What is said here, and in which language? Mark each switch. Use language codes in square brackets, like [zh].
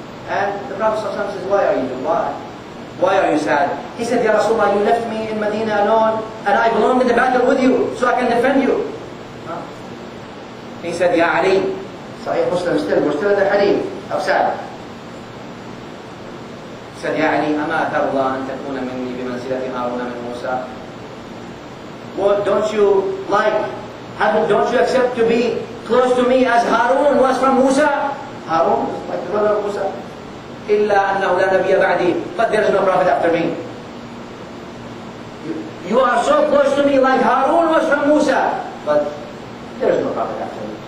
[en] And the Prophet sometimes says, why are you doing? Why are you sad? He said, Ya Rasulullah, you left me in Medina alone and I belong in the battle with you so I can defend you. He said, Ya Ali, Sahih Muslim still, we're still in the hadith of Sa'd. [ar] Said, Ya Ali, أَمَا أَتَرُ اللَّهَ أَن تَكُونَ مِنِّي بِمَنْزِلَةِ هَارُونَ مِنْ مُوسَى. [en] What, don't you like, don't you accept to be close to me as Harun was from Musa? Harun is like the brother of Musa. [ar] إِلَّا أَنَّهُ لَا نَبِيَ بَعْدِي. [en] But there is no prophet after me. You are so close to me like Harun was from Musa. But there is no prophet after me.